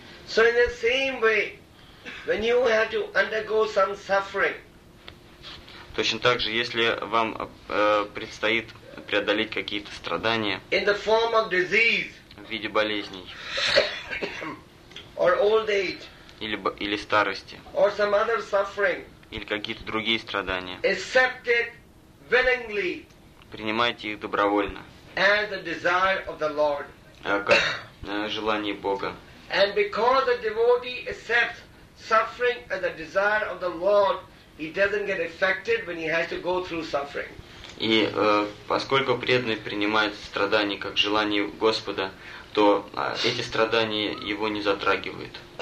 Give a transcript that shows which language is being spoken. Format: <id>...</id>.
<en>So in the same way, when you have to undergo some suffering.</en> <ru>Точно так же, если вам предстоит преодолеть какие-то страдания</ru> <en>in the form of disease,</en> <ru>в виде болезней</ru> <en>or old age,</en> <ru>или старости</ru> <en>or some other suffering,</en> <ru>или какие-то другие страдания,</ru> <en>accept it willingly,</en> <ru>принимайте их добровольно</ru> <en>as the desire of the Lord,</en> <ru>как желание Бога. И потому что</ru> <en>devotee accepts suffering as the desire of the Lord, he doesn't get affected when he has to go through suffering.</en> <ru>И поскольку преданный принимает страдания как желание Господа, то эти страдания его не затрагивают.</ru>